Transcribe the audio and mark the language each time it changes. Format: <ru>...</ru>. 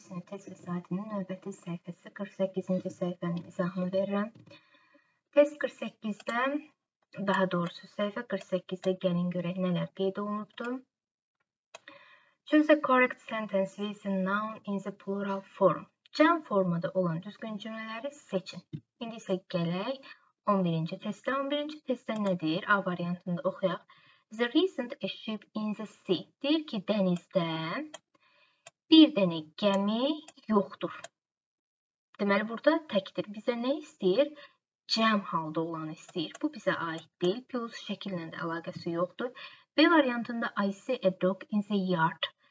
<az>sınıf test vəsaitinin növbəti səhifəsi 48-ci səhifənin izahını verirəm. Test 48-də, daha doğrusu səhifə 48-də gəlin görək nələr qeyd olunubdur.</az> <en>Choose a correct sentence with a noun in the plural form.</en> <az>Cəm formada olan düzgün cümlələri seçin. İndi isə gələk 11-ci testdə. 11-ci testdə nə deyir? A variantında oxuyaq.</az> <en>The recent a ship in the sea.</en> <az>Deyir ki, dənizdə bir dənə gəmi yoxdur. Deməli, burada təkdir. Bizə nə istəyir? Cəm halda olanı istəyir. Bu, bizə aid deyil. Plus şəkillə də əlaqəsi yoxdur. B variantında</az> <en>I see a dog in the yard.</en>